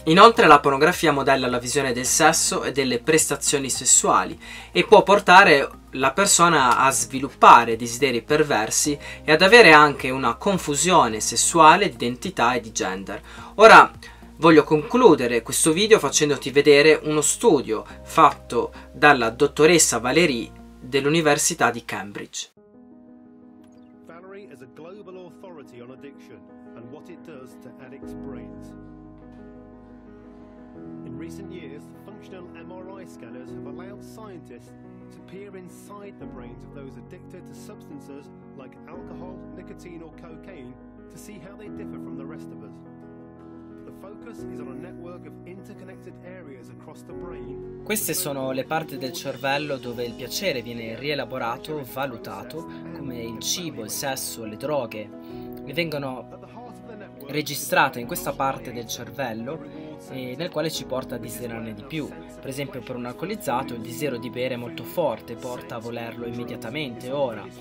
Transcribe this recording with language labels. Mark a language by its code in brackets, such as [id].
[it] Inoltre la pornografia modella la visione del sesso e delle prestazioni sessuali e può portare la persona a sviluppare desideri perversi e ad avere anche una confusione sessuale di identità e di gender. Ora voglio concludere questo video facendoti vedere uno studio fatto dalla dottoressa Valerie dell'Università di Cambridge. [en] Valerie is a global authority on addiction and what it does to addicts' brains. In recent years, functional MRI scanners have allowed scientists to peer inside the brains of those addicted to substances like alcohol, nicotine or cocaine to see how they differ from the rest of us. Focus is on a network of interconnected areas across the brain. [it] Queste sono le parti del cervello dove il piacere viene rielaborato, valutato, come il cibo, il sesso, le droghe, e vengono registrate in questa parte del cervello e nel quale ci porta a desiderarne di più. Per esempio, per un alcolizzato il desiderio di bere è molto forte, porta a volerlo immediatamente, ora.